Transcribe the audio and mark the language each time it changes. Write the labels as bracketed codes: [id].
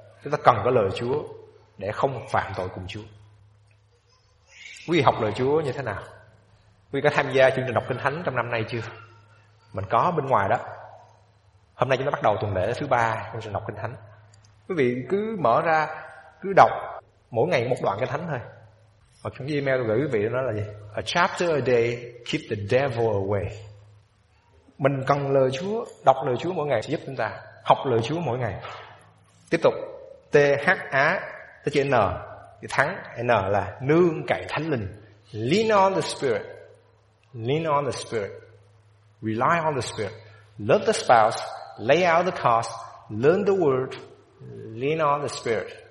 [vi] Chúng ta cần có lời Chúa để không phạm tội cùng Chúa. Quý vị học lời Chúa như thế nào? Quý vị có tham gia chương trình đọc Kinh Thánh trong năm nay chưa? Mình có bên ngoài đó. Hôm nay chúng ta bắt đầu tuần lễ thứ 3 chương trình đọc Kinh Thánh. Quý vị cứ mở ra, cứ đọc mỗi ngày một đoạn Kinh Thánh thôi. Hoặc trong email tôi gửi quý vị đó là gì? [en] A chapter a day keep the devil away. [vi] Mình cần lời Chúa, đọc lời Chúa mỗi ngày sẽ giúp chúng ta học lời Chúa mỗi ngày. Tiếp tục, T-H-A tới chữ N, chữ thắng, N là nương cậy Thánh Linh. [en] Lean on the Spirit. Lean on the Spirit. Rely on the Spirit. Love the spouse. Lay out the cost. Learn the word. Lean on the Spirit.